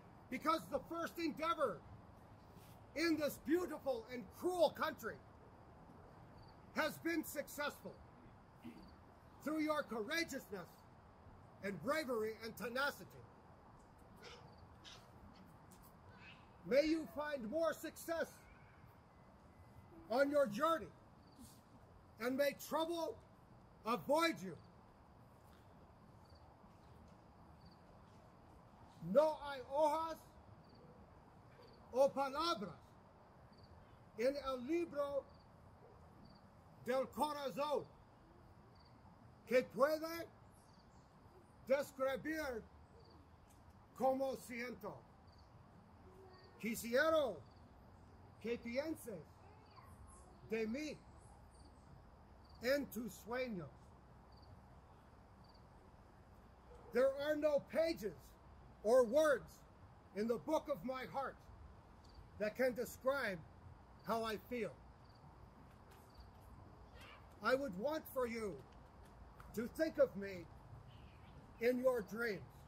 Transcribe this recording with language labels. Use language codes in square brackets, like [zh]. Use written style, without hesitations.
[en] Because the first endeavor in this beautiful and cruel country has been successful through your courageousness and bravery and tenacity. May you find more success on your journey, and may trouble avoid you. [es] No hay hojas o palabras en el libro del corazón que puede describir cómo siento. Quisiera que pienses de mí en tus sueños. [en] There are no pages or words in the book of my heart that can describe how I feel. I would want for you to think of me in your dreams.